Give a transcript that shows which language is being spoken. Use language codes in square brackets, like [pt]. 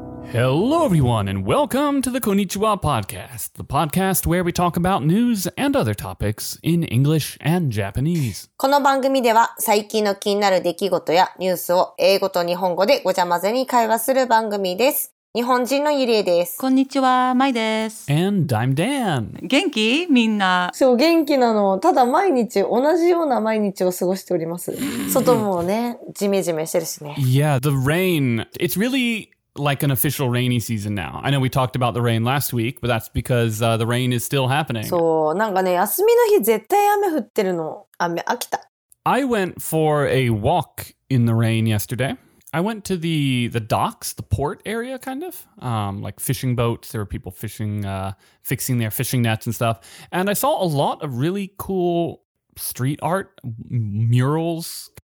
[en] Hello, everyone, and welcome to the Konnichiwa Podcast, the podcast where we talk about news and other topics in English and Japanese. [ja] この番組では最近の気になる出来事やニュースを英語と日本語でごちゃ混ぜに会話する番組です。日本人のゆりえです。こんにちは、まいです。 [en] And I'm Dan. [ja] 元気？みんな。そう、元気なの。ただ毎日、同じような毎日を過ごしております。外もね、ジメジメしてるしね。 [en] Yeah, the rain. It's really like an official rainy season now. I know we talked about the rain last week, but that's because the rain is still happening. [ja] そう、なんかね、休みの日絶対雨降ってるの。雨、飽きた。 [en] I went for a walk in the rain yesterday. I went to the docks, the port area, kind of, like fishing boats. There were people fishing, fixing their fishing nets and stuff. And I saw a lot of really cool street art, murals.